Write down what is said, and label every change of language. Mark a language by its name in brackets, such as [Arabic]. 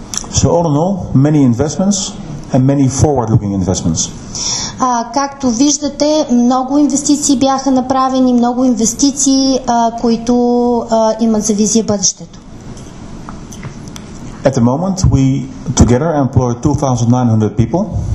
[English] So all in all, many investments and many forward-looking investments. [Bulgarian] Както виждате, много инвестиции бяха направени, много инвестиции, които имат за визия бъдещето. [English] At the moment, we together employ 2,900 people.